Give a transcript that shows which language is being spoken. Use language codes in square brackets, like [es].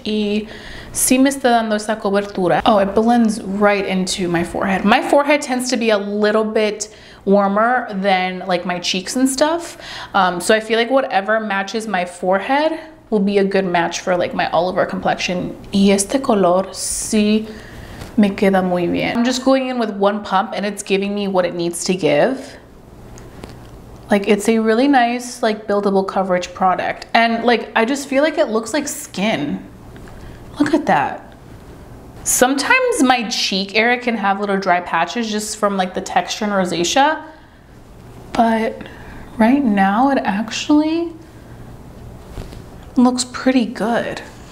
[es] Y si me está dando esa cobertura. [en] Oh, it blends right into my forehead. My forehead tends to be a little bit warmer than like my cheeks and stuff. So I feel like whatever matches my forehead will be a good match for like my all over complexion. [es] Y este color sí me queda muy bien. [en] I'm just going in with one pump and it's giving me what it needs to give. Like it's a really nice like buildable coverage product. And like I just feel like it looks like skin. Look at that. Sometimes my cheek area can have little dry patches just from like the texture and rosacea, but right now it actually looks pretty good.